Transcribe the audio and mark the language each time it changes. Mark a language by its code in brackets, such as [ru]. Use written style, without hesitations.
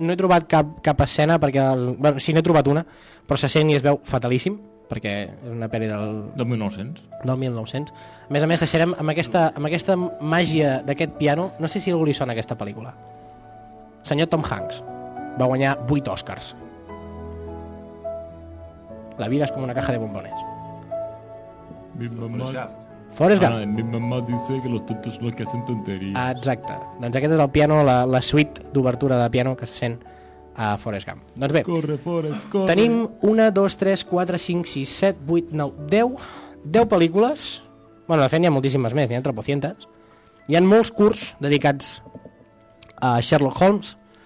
[ca] No he trobat cap escena, perquè... Bueno, sí, n'he trobat una, però se sent i es veu fatalíssim, perquè és una pel·li del... Del 1900. Del 1900. A més, deixarem amb aquesta màgia d'aquest piano. No sé si algú li sona aquesta pel·lícula. Senyor Tom Hanks. Va guanyar 8 Oscars. La vida és com una [es] caja de bombones. Mi mamá dice que los tontos son los que hacen tonterías. [ca] Exacte. Doncs aquest és el piano, la suite d'obertura de piano que se sent a Forrest Gump. Doncs bé, corre, Forrest, corre. Tenim 1, 2, 3, 4, 5, 6, 7, 8, 9, 10. 10 pel·lícules. Bueno, de fet, n'hi ha moltíssimes més, n'hi ha tropocientes. Hi ha molts curts dedicats a Sherlock Holmes.